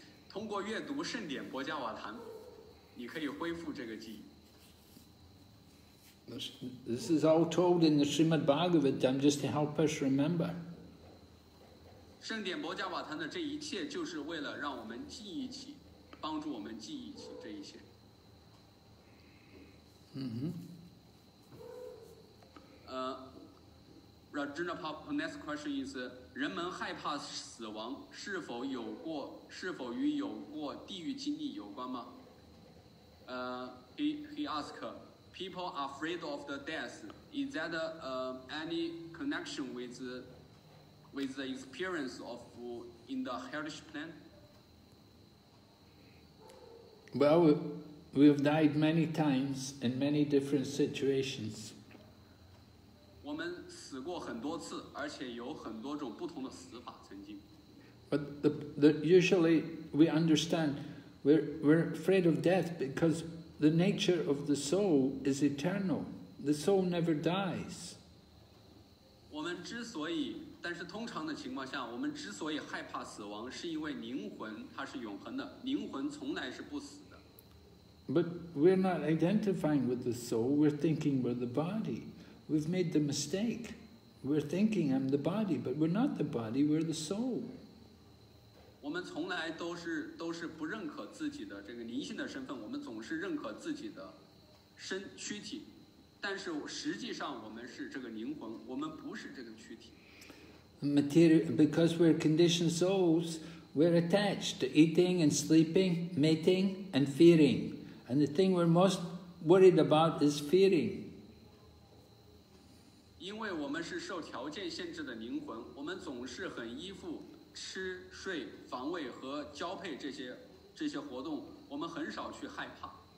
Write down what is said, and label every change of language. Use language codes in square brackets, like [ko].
[zh] 通过阅读圣典《波迦瓦坛》，你可以恢复这个记忆。 [en] This is all told in the Srimad Bhagavatam just to help us remember. [zh] 圣典《波迦瓦坛》的这一切就是为了让我们记忆起，帮助我们记忆起这一切。 Rajendra Pop, [en] next question is, [zh] 人们害怕死亡，是否与有过地狱经历有关吗？ [en] He asked, people are afraid of the death. Is that any connection with the experience of in the hellish plane? Well, we have died many times in many different situations. [zh] 我们死过很多次，而且有很多种不同的死法曾经。 [en] But the usually we understand we're afraid of death because the nature of the soul is eternal. The soul never dies. [zh] 我们之所以，但是通常的情况下，我们之所以害怕死亡，是因为灵魂它是永恒的，灵魂从来是不死的。 [en] But we're not identifying with the soul. We're thinking we're the body. We've made the mistake. We're thinking I'm the body, but we're not the body, we're the soul. [zh] 我们从来都是不认可自己的这个灵性的身份，我们总是认可自己的身躯体，但是实际上我们是这个灵魂，我们不是这个躯体。 [en] Because we're conditioned souls, we're attached to eating and sleeping, mating and fearing. And the thing we're most worried about is fearing. [zh] 因为我们是受条件限制的灵魂，我们总是很依附吃睡防卫和交配这些活动，我们很少去害怕。